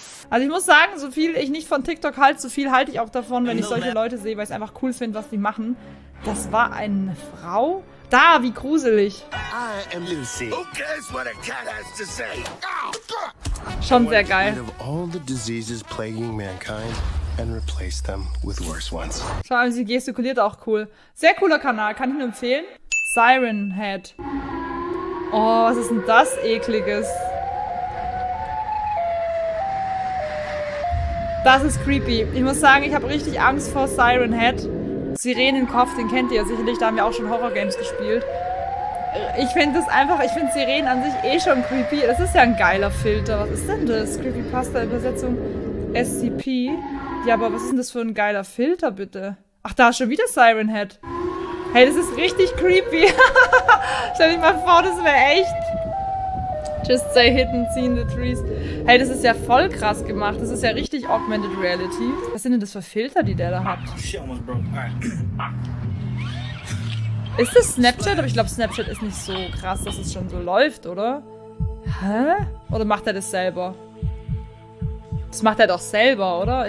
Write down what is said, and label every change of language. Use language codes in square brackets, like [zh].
[de] Also ich muss sagen, so viel ich nicht von TikTok halte, so viel halte ich auch davon, wenn ich solche Leute sehe, weil ich es einfach cool finde, was die machen. Das war eine Frau? Da, wie gruselig. [en] I am Lucy. Who cares what a cat has to say? [de] Schon sehr geil. [en] Out of all the diseases plaguing mankind and replace them with worse ones. [de] Schau mal, sie gestikuliert auch cool. Sehr cooler Kanal, kann ich nur empfehlen. Siren Head. Oh, was ist denn das Ekliges? Das ist creepy. Ich muss sagen, ich habe richtig Angst vor Siren Head. Sirenenkopf, den kennt ihr sicherlich, da haben wir auch schon Horrorgames gespielt. Ich finde Sirenen an sich eh schon creepy. Das ist ja ein geiler Filter. Was ist denn das? Creepypasta-Übersetzung SCP. Ja, aber was ist denn das für ein geiler Filter, bitte? Ach, da ist schon wieder Siren Head. Hey, das ist richtig creepy. Stell dich mal vor, das wäre echt. [en] Just stay hidden, see in the trees. [de] Hey, das ist ja voll krass gemacht. Das ist ja richtig augmented reality. Was sind denn das für Filter, die der da hat? Ist das Snapchat? Aber ich glaube, Snapchat ist nicht so krass, dass es schon so läuft, oder? Hä? Oder macht er das selber? Das macht er doch selber, oder?